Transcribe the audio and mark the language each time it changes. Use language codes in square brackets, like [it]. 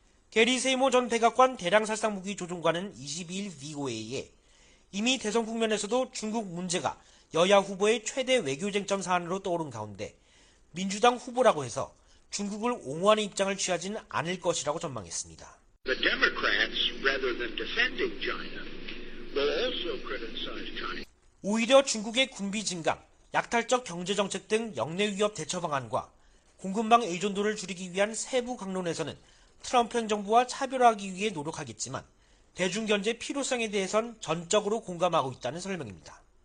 [ko] 게리 세이머 전 백악관 대량살상무기 조종관은 22일 VOA에 이미 대선 국면에서도 중국 문제가 여야 후보의 최대 외교쟁점 사안으로 떠오른 가운데 민주당 후보라고 해서 중국을 옹호하는 입장을 취하진 않을 것이라고 전망했습니다. [en] The Democrats, rather than defending China, will also criticize China. [ko] 오히려 중국의 군비 증강, 약탈적 경제정책 등 역내 위협 대처 방안과 공급망 의존도를 줄이기 위한 세부 강론에서는 트럼프 행정부와 차별화하기 위해 노력하겠지만 대중견제 필요성에 대해선 전적으로 공감하고 있다는 설명입니다.